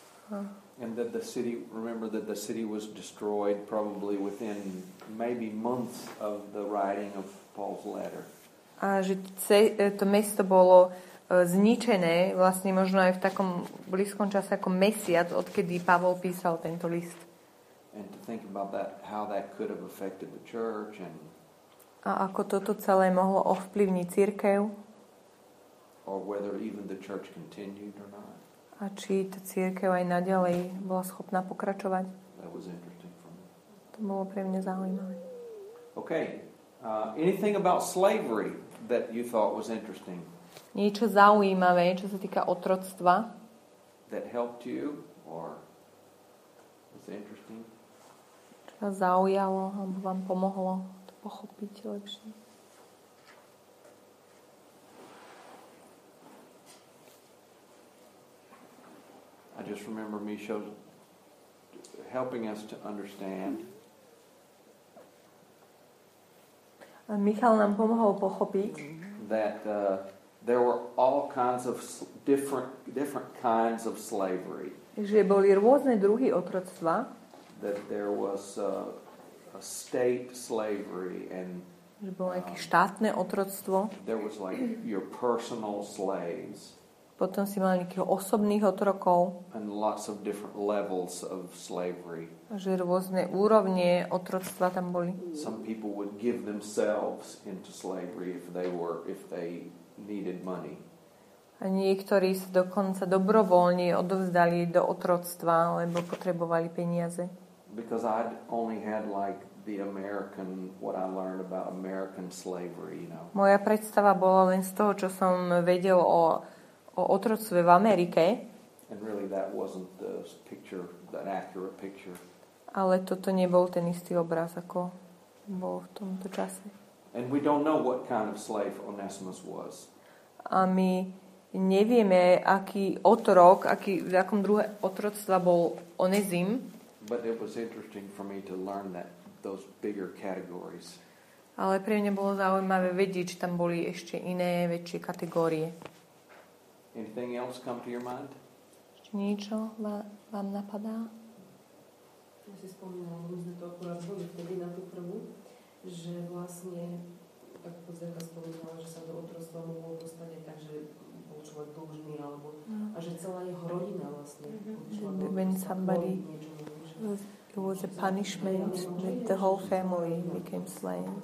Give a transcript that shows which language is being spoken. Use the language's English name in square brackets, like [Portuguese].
[English] And that the city, remember that the city was destroyed probably within maybe months of the writing of Paul's letter. [Slovak] A že to mesto bolo zničené vlastne možno aj v takom blízkom čase ako mesiac, odkedy Pavol písal tento list. [English] And to think about that, how that could have affected the church and [Slovak] a ako toto celé mohlo ovplyvniť cirkev. [English] Or whether even the church continued or not. [Slovak] A či tá cirkev aj naďalej bola schopná pokračovať? [English] That was interesting for me. [Slovak] To bolo pre mňa zaujímavé. [English] Okay. Anything about slavery that you thought was interesting? [Slovak] Niečo zaujímavé, čo sa týka otroctva? [English] That helped you or was interesting? [Slovak] Čo vás zaujalo alebo vám pomohlo to pochopiť lepšie? [English] I just remember Michel helping us to understand. [Slovak] A Michal nám pomohol pochopiť [English] that there were all kinds of different kinds of slavery. [Slovak] Že boli rôzne druhy otroctva. [English] That there was a state slavery and [Slovak] že bolo nejaké štátne otroctvo. [English] There was like your personal slaves. [Slovak] Potom si mal nejakých osobných otrokov. [English] And lots of different levels of slavery. [Slovak] Že rôzne úrovne otroctva tam boli. [English] Some people would give themselves into slavery if they needed money. [Slovak] A niektorí sa dokonca dobrovoľne odovzdali do otroctva, lebo potrebovali peniaze. [English] Because I only had like the American, what I learned about American slavery, you know. [Slovak] Moja predstava bola len z toho, čo som vedel o otroctve v Amerike. [English] And really that wasn't the picture, that accurate picture. [Slovak] Ale toto nebol ten istý obraz, ako bol v tomto čase. [English] And we don't know what kind of slave Onesimus was. [Slovak] A my nevieme, aký otrok, aký, v akom druhé otroctva bol Onesim. [English] But it was interesting for me to learn that those bigger categories. [Slovak] Ale pre mňa bolo zaujímavé vedieť, či tam boli ešte iné, väčšie kategórie. [English] Anything else come to your mind? [Slovak] Ešte niečo vám napadá? Ja si spomínala, my sme to akurát boli vtedy na tú prvú, že vlastne, tak pozdravka spomínala, že sa do otrostva mohol dostať, takže bol človek dlžný, alebo, a že celá jeho rodina vlastne. [English] When somebody... It was a punishment that the whole family became slain.